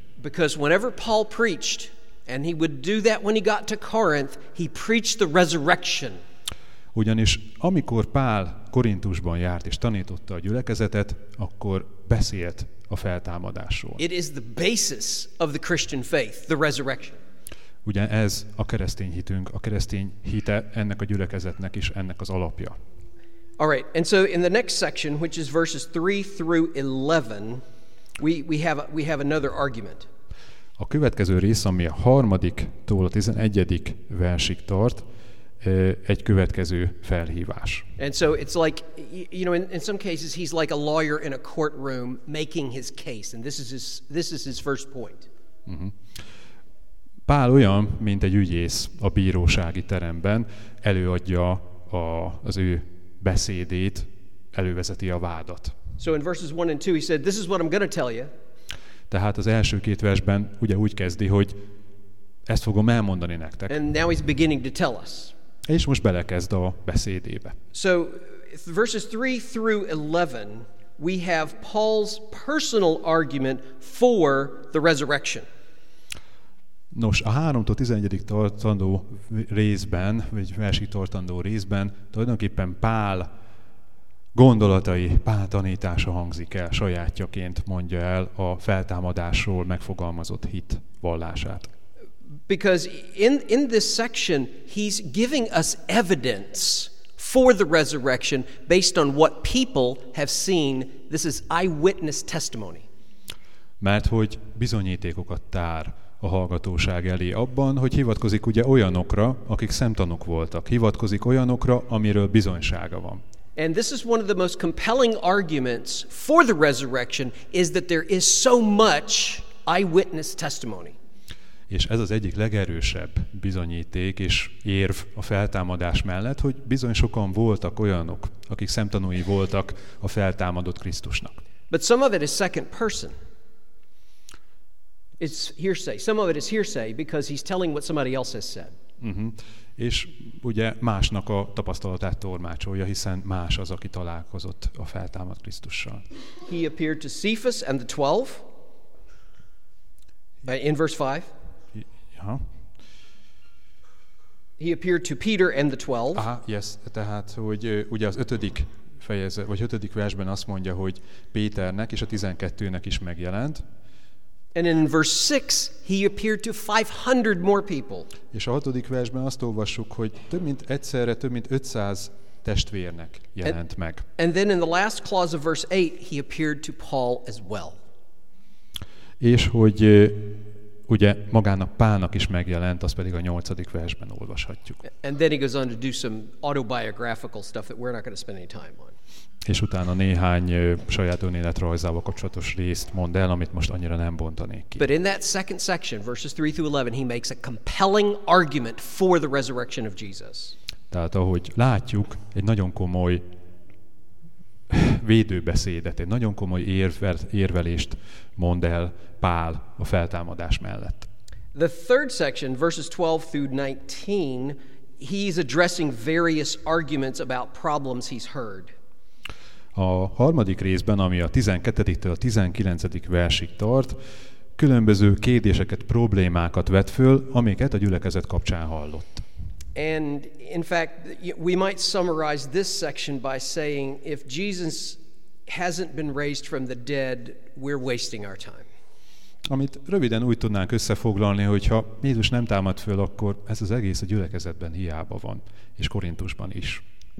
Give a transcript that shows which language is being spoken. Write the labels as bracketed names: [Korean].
[English] Because whenever Paul preached, and he would do that when he got to Corinth, he preached the resurrection. [Hungarian] Ugyanis amikor Pál Korintusban járt és tanította a gyülekezetet, akkor beszélt a feltámadásról. [English] It is the basis of the Christian faith, the resurrection. [Hungarian] Ugyan ez a keresztény hitünk, a keresztény hite ennek a gyülekezetnek is ennek az alapja. [English] All right, and so in the next section, which is verses 3 through 11, we have another argument. [Hungarian] A következő rész, ami a harmadiktól a 11. versig tart, egy következő felhívás. [English] And so it's like, you know, in some cases he's like a lawyer in a courtroom making his case, and this is his first point. Uh-huh. [Hungarian] Pál olyan, mint egy ügyész a bírósági teremben, előadja az ő beszédét, elővezeti a vádat. [English] So in verses 1 and 2 he said, this is what I'm going to tell you. [Hungarian] Tehát az első két versben ugye úgy kezdi, hogy ezt fogom elmondani nektek. [English] And now he's beginning to tell us. [Hungarian] És most belekezd a beszédébe. [English] So verses 3 through 11 we have Paul's personal argument for the resurrection. [Hungarian] Nos, a 3-tól 11-ig tartandó részben, vagy versig tartandó részben tulajdonképpen Pál gondolatai, Pál tanítása hangzik el, sajátjaként mondja el a feltámadásról megfogalmazott hit vallását. [English] Because in this section he's giving us evidence for the resurrection based on what people have seen. This is eyewitness testimony. [Hungarian] Mert hogy bizonyítékokat tár a hallgatóság elé abban, hogy hivatkozik ugye olyanokra, akik szemtanúk voltak, hivatkozik olyanokra, amiről bizonysága van. [English] And this is one of the most compelling arguments for the resurrection is that there is so much eyewitness testimony. [Hungarian] És ez az egyik legerősebb bizonyíték és érv a feltámadás mellett, hogy bizony sokan voltak olyanok, akik szemtanúi voltak a feltámadott Krisztusnak. [English] But some of it is second person. It's hearsay. Some of it is hearsay because he's telling what somebody else has said. Uh-huh. [Hungarian] És ugye másnak a tapasztalatát tolmácsolja, hiszen más az, aki találkozott a feltámadt Krisztussal. [English] He appeared to Cephas and the 12 in verse 5. Ja. He appeared to Peter and the 12. [Hungarian] Aha, yes, tehát hogy ugye az 5. fejezet vagy 5. versben azt mondja, hogy Péternek és a 12-nek is megjelent. [English] And in verse 6 he appeared to 500 more people. [Hungarian] És a 6. versben azt olvassuk, hogy több mint egyszerre több mint 500 testvérnek jelent meg. [English] And then in the last clause of verse 8 he appeared to Paul as well. [Hungarian] És hogy ugye magának Pálnak is megjelent, azt pedig a 8. versben olvashatjuk. [English] And then he goes on to do some autobiographical stuff that we're not going to spend any time on. [Hungarian] És utána néhány saját önéletrajzával kapcsolatos részt mond el, amit most annyira nem bontanék ki. [English] But in that second section, verses 3 through 11, he makes a compelling argument for the resurrection of Jesus. [Hungarian] Tehát ahogy látjuk, egy nagyon komoly védőbeszédet, egy nagyon komoly érvelést mond el Pál a feltámadás mellett. [English] The third section, verses 12 through 19, he's addressing various arguments about problems he's heard. [Hungarian] A harmadik részben, ami a 12-től a 19. versig tart, különböző kérdéseket, problémákat vet föl, amiket a gyülekezet kapcsán hallott. [English] And in fact, we might summarize this section by saying, if Jesus hasn't been raised from the dead, we're wasting our time. [Hungarian] Amit röviden úgy tudnánk összefoglalni, hogy ha Jézus nem támad föl, akkor ez az egész a gyülekezetben hiába van, és Korintusban is.